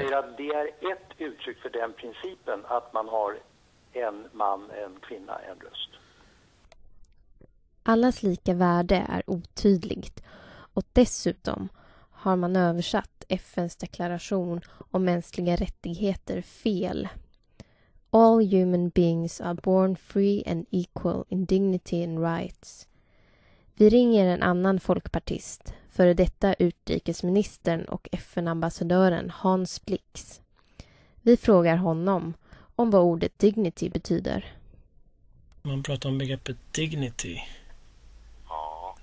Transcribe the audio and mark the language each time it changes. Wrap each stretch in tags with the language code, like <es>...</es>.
<sv>Jag säger att det är ett uttryck för den principen att man har en man, en kvinna, en röst. Allas lika värde är otydligt. Och dessutom har man översatt FN:s deklaration om mänskliga rättigheter fel.</sv> <en>All human beings are born free and equal in dignity and rights.</en> <sv>Vi ringer en annan folkpartist, före detta utrikesministern och FN-ambassadören Hans Blix. Vi frågar honom om vad ordet dignity betyder. Man pratar om begreppet dignity. Ja.</sv>